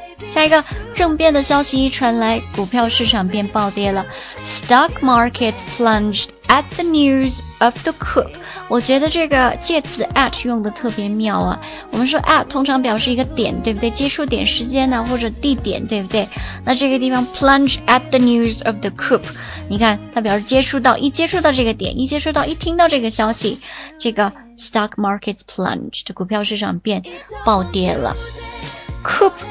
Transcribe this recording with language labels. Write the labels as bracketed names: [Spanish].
[Chinese] 下一个，政变的消息一传来，股票市场便暴跌了。 [English] Stock markets plunged at the news of the coup。 [Chinese] 我觉得这个介词 at 用的特别妙啊。我们说 at 通常表示一个点，对不对？接触点、时间呢、啊，或者地点，对不对？那这个地方 [English] plunge at the news of the coup， [Chinese] 你看它表示接触到，一接触到这个点，一接触到，一听到这个消息，这个 [English] stock markets plunged， [Chinese] 股票市场便暴跌了。Coup